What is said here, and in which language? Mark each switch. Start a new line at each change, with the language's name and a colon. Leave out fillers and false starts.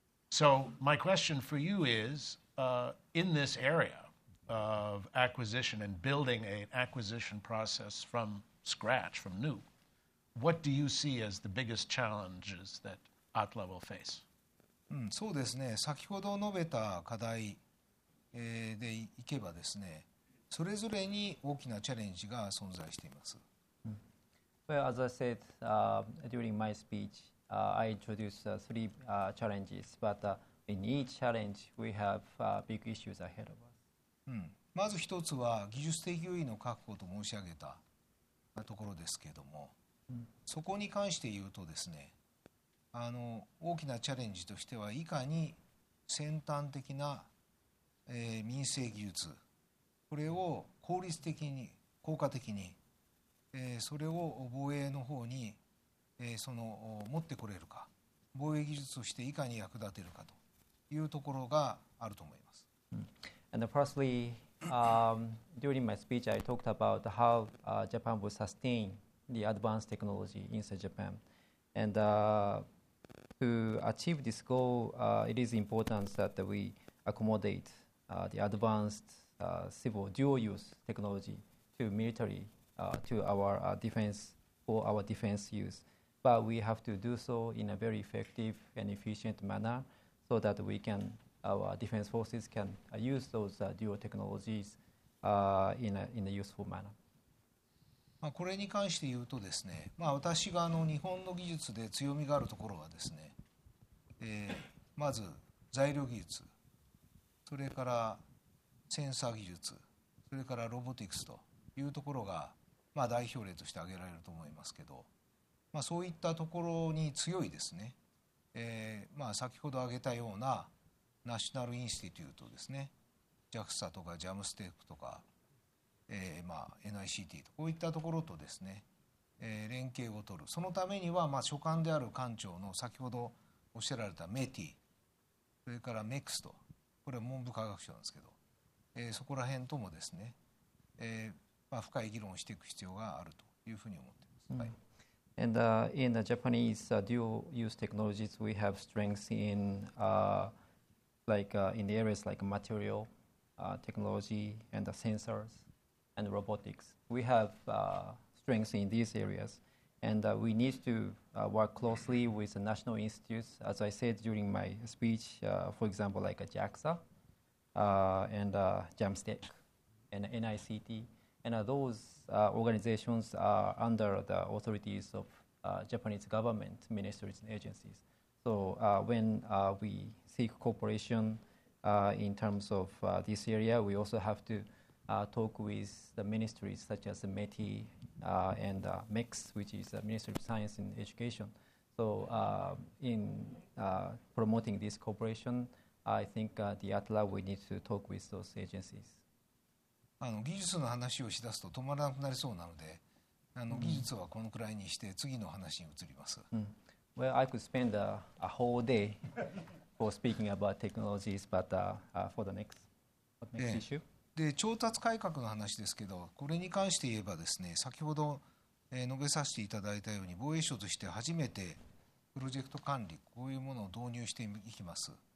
English: So my question for you is, in this area of acquisition and building an acquisition process from scratch, from new, what do you see as the biggest challenges that ATLA will face?
Japanese: そうですね。先ほど述べた課題でいけばですね、それぞれに大きなチャレンジが存在しています。
English: Well, as I said during my speech, I introduced three challenges, but in each challenge, we have big issues ahead of us.
Japanese: まず一つは技術的優位の確保と申し上げたところですけれども、そこに関して言うとですね、大きなチャレンジとしてはいかに先端的な、民生技術、これを効率的に効果的に、それを防衛の方に、その持ってこれるか、防衛技術としていかに役立てるかというところがあると思います。
English: And firstly, during my speech, I talked about how Japan will sustain the advanced technology inside Japan. And to achieve this goal, it is important that we accommodate the advanced civil dual-use technology to military, to our defense, for our defense use. But we have to do so in a very effective and efficient manner so that we can our defense forces can use those dual technologies in a useful manner.
Japanese: まあこれに関して言うとですね、まあ私が日本の技術で強みがあるところはですね、まず材料技術、それからセンサー技術、それからロボティクスというところが、まあ代表例として挙げられると思いますけど、まあそういったところに強いですね、まあ先ほど挙げたようなナショナルインスティテュートですね、JAXA とか JAMSTEC とか、まあ、NICT とこういったところとですね、連携を取る。そのためには、まあ、所管である官庁の先ほどおっしゃられたMETI、それから MEX と、これは文部科学省なんですけど、そこら辺ともですね、まあ、深い議論をしていく必要があるというふうに思っています。はい。
English: And in the Japanese dual-use technologies, we have strengths in like in the areas like material technology and the sensors, and robotics. We have strengths in these areas, and we need to work closely with the national institutes, as I said during my speech, for example, like a JAXA and JAMSTEC and NICT. And those organizations are under the authorities of Japanese government ministries and agencies. So when we seek cooperation in terms of this area, we also have to talk with the ministries such as the METI and MEX, which is the Ministry of Science and Education. So in promoting this cooperation, I think the ATLA, we need to talk with those agencies.
Japanese: 技術の話をしだすと止まらなくなりそうなので、技術はこのくらいにして次の話に移ります。 Mm.
English: Well, I could spend a whole day for speaking about technologies, but for the next issue.
Japanese: で、調達改革の話ですけど、これに関して言えばですね、先ほど、述べさせていただいたように、防衛省として初めてプロジェクト管理、こういうものを導入していきます。